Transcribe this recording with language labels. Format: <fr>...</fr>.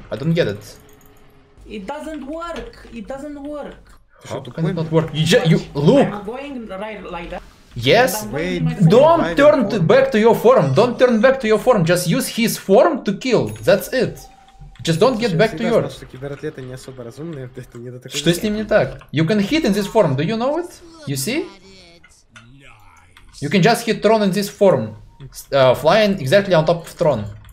<en>I don't get it. It doesn't work. How can it not work? You look! I'm going right like that. Yes, don't turn back to your form, don't turn back to your form, just use his form to kill, that's it. Just don't get back to yours.</en> <ru>Знал, что кибератлеты не особо разумные, это не до такой... Что с ним не так?</ru> <en>You can hit in this form, do you know it? You see? You can just hit Tron in this form, flying exactly on top of Tron.</en>